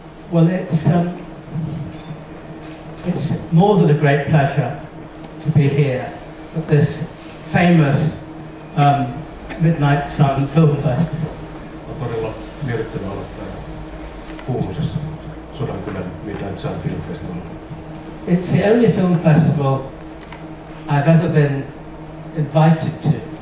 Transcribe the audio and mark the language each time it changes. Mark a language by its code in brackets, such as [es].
[en] Well, it's more than a great pleasure to be here at this famous Midnight Sun Film Festival. [fi] On todella miellyttävää olla täällä kuuluisessa Sodankylän Midnight Sun Film Festival. [en] It's the only film festival I've ever been invited to.